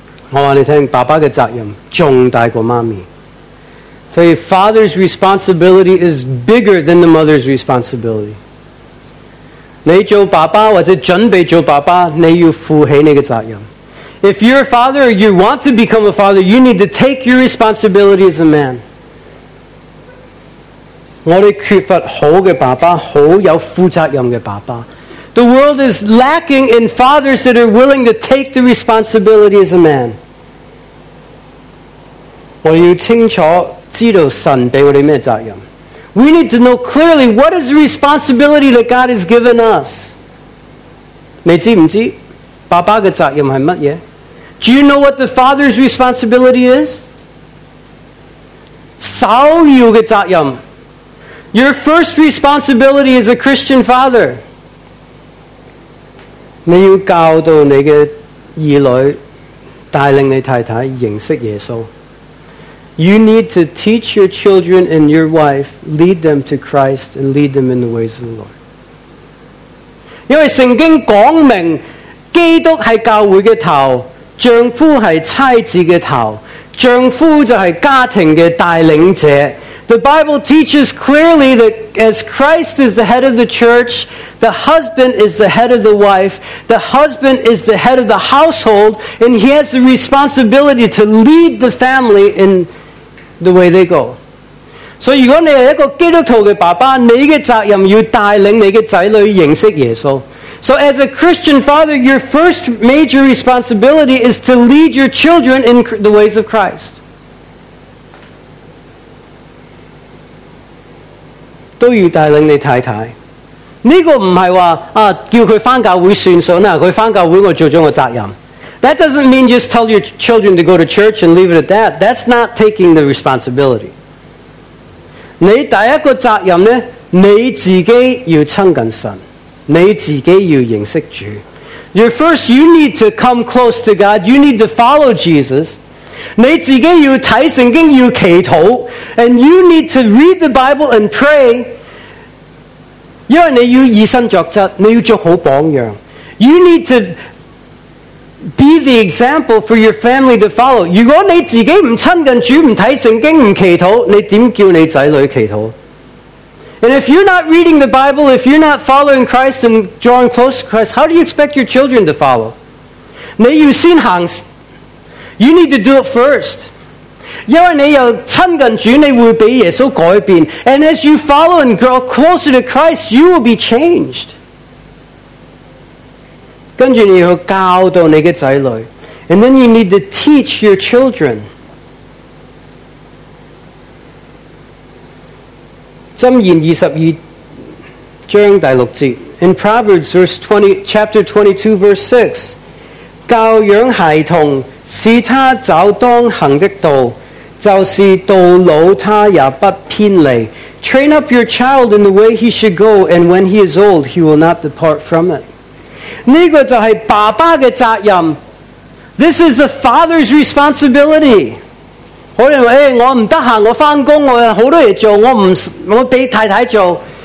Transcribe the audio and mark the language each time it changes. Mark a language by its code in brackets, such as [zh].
[zh] 我告诉你,爸爸的责任重大过妈咪。 [en] 所以 father's responsibility is bigger than the mother's responsibility. [zh] 你做爸爸或者准备做爸爸,你要负起你的责任。 [en] If you're a father, or you want to become a father, you need to take your responsibility as a man. [zh] 我们缺乏好的爸爸，好有负责任的爸爸。 [en] The world is lacking in fathers that are willing to take the responsibility as a man. [zh] 我们要清楚知道神给我们什么责任。 [en] We need to know clearly what is the responsibility that God has given us. [zh] 你知不知爸爸的责任是什么？ [en] Do you know what the father's responsibility is? [zh] 少有的责任。 [en] Your first responsibility as a Christian father. [zh] 你要教导你的儿女，带领你太太认识耶稣。 [en] You need to teach your children and your wife, lead them to Christ and lead them in the ways of the Lord. [zh] 因为圣经讲明，基督是教会的头，丈夫是妻子的头，丈夫就是家庭的带领者。 [en] The Bible teaches clearly that as Christ is the head of the church, the husband is the head of the wife, the husband is the head of the household, and he has the responsibility to lead the family in the way they go. So, if you are a [zh] 基督徒的爸爸，你的责任要带领你的仔女认识耶稣。 [en] So, as a Christian father, your first major responsibility is to lead your children in the ways of Christ. [zh] 都要带领你太太。这个不是说啊，叫她回教会算数，她回教会我做了我责任。 [en] That doesn't mean just tell your children to go to church and leave it at that. That's not taking the responsibility. [zh] 你第一个责任呢，你自己要亲近神。你自己要认识主。 [en] Your first, you need to come close to God. You need to follow Jesus. [zh] 你自己要睇圣经，要祈祷。 [en] And you need to read the Bible and pray. [zh] 因为你要以身作则，你要做好榜样。 [en] You need to be the example for your family to follow. [zh] 如果你自己唔亲近主，唔睇圣经，唔祈祷，你点叫你仔女祈祷？ [en] And if you're not reading the Bible, if you're not following Christ and drawing close to Christ, how do you expect your children to follow? [zh] 你要先行， [en] you need to do it first. [zh] 因为你要亲近主，你会被耶稣改变。 [en] And as you follow and grow closer to Christ, you will be changed. [zh] 跟着你要教导你的子女。 [en] And then you need to teach your children. [zh] 箴言二十二章第六节 [en] ，In Proverbs verse 20, chapter 22 verse 6, [zh] 教养孩童，使他走当行的道，就是到老他也不偏离。 [en] Train up your child in the way he should go, and when he is old, he will not depart from it. [zh] 呢个就系爸爸嘅责任。 [en] This is the father's responsibility. [zh] 好人话：我唔得闲，我翻工，我有好多嘢做，我俾太太做。